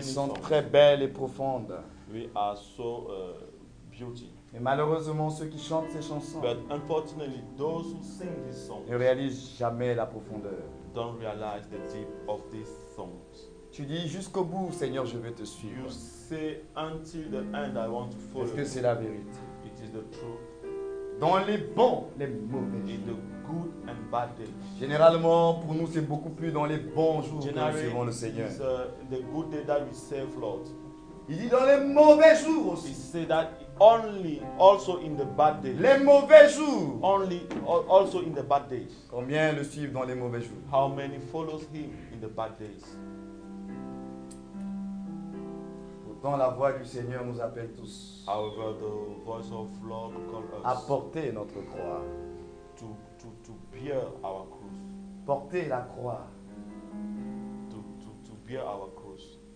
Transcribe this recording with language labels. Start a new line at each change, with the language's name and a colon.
French: qui sont très belles et profondes.
English: We are so beauty.
French: Mais malheureusement, ceux qui chantent ces chansons,
English: but unfortunately, those who sing these songs,
French: ne réalisent jamais la profondeur.
English: Don't realize the deep of these songs.
French: Tu dis jusqu'au bout, Seigneur, je vais te suivre.
English: You say until the end, I want to follow.
French: Est-ce que c'est la vérité?
English: It is the truth.
French: Dans les bons, les mauvais jours.
English: In the good and bad days.
French: Généralement, pour nous, c'est beaucoup plus dans les bons jours que nous suivons le Seigneur.
English: It is the good day that we serve Lord.
French: Il dit dans les mauvais jours aussi.
English: He said that only also in the bad days.
French: Les mauvais jours.
English: Only also in the bad days.
French: Combien le suivent dans les mauvais jours?
English: How many follows him in the bad days?
French: Dans la voix du Seigneur nous appelle tous.
English: However, the voice of Lord call us.
French: À porter notre croix.
English: To bear our cross.
French: Porter la croix.
English: To bear our cross.